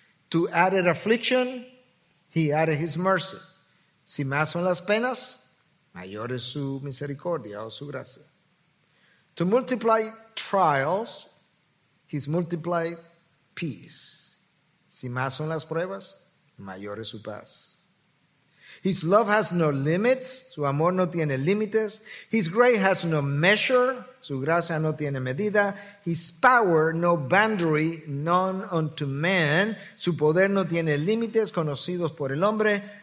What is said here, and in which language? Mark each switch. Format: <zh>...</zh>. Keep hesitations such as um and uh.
<en>To added affliction, he added his mercy.</en> <es>Si más son las penas, mayor es su misericordia o su gracia.</es> <en>To multiply trials, he's multiplied peace.</en> <es>Si más son las pruebas, mayor es su paz.</es> <en>His love has no limits,</en> <es>su amor no tiene límites.</es> <en>His grace has no measure,</en> <es>su gracia no tiene medida.</es> <en>His power no boundary, none unto man,</en> <es>su poder no tiene límites conocidos por el hombre.</es>